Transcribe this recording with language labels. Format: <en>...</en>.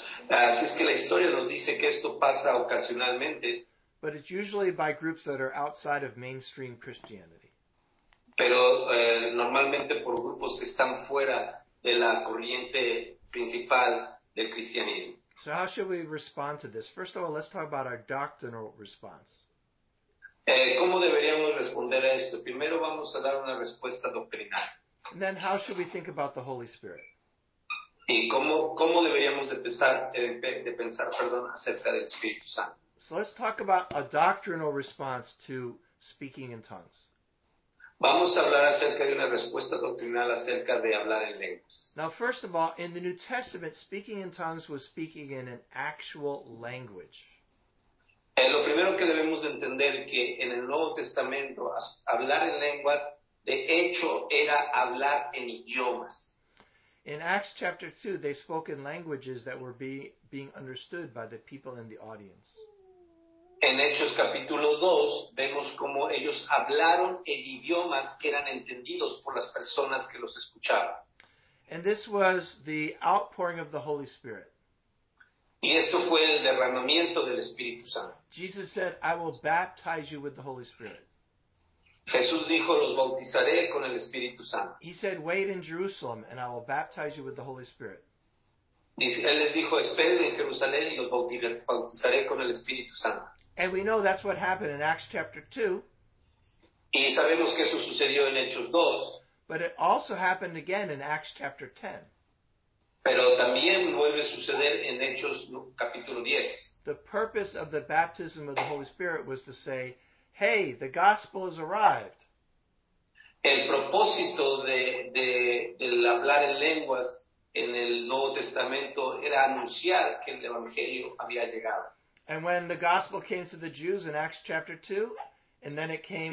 <es>Así es que la historia nos dice que esto pasa ocasionalmente.</es> <en>But it's usually by groups that are outside of mainstream Christianity.</en> <es>Pero normalmente por grupos que están fuera de la corriente principal del cristianismo.</es> <en>So how should we respond to this? First of all, let's talk about our doctrinal response.</en> <es>¿Cómo deberíamos responder a esto? Primero vamos a dar una respuesta doctrinal.</es> <en>And then how should we think about the Holy Spirit?</en> <es>¿Y cómo deberíamos pensar acerca del Espíritu Santo?</es> <en>So let's talk about a doctrinal response to speaking in tongues.</en> <es>Vamos a hablar acerca de una respuesta doctrinal acerca de hablar en lenguas.</es> <en>Now, first of all, in the New Testament, speaking in tongues was speaking in an actual language.</en> <es>Lo primero que debemos entender es que en el Nuevo Testamento, hablar en lenguas, de hecho, era hablar en idiomas.</es> <en>In Acts chapter 2, they spoke in languages that were being understood by the people in the audience.</en> <es>En Hechos capítulo 2 vemos cómo ellos hablaron en idiomas que eran entendidos por las personas que los escuchaban.</es> <en>And this was the outpouring of the Holy Spirit.</en> <es>Y esto fue el derramamiento del Espíritu Santo.</es> <en>Jesus said, "I will baptize you with the Holy Spirit."</en> <es>Jesús dijo, "Los bautizaré con el Espíritu Santo."</es> <en>He said, "Wait in Jerusalem and I will baptize you with the Holy Spirit."</en> <es>Él les dijo, "Esperen en Jerusalén y los bautizaré con el Espíritu Santo."</es> <en>And we know that's what happened in Acts chapter 2.</en> <es>Y sabemos que eso sucedió en Hechos 2.</es> <en>But it also happened again in Acts chapter 10.</en> <es>Pero también vuelve a suceder en Hechos capítulo 10.</es> <en>The purpose of the baptism of the Holy Spirit was to say, "Hey, the gospel has arrived."</en> <es>El propósito del hablar en lenguas en el Nuevo Testamento era anunciar que el Evangelio había llegado.</es> <en>And when the gospel came to the Jews in Acts chapter 2, and then it came</en>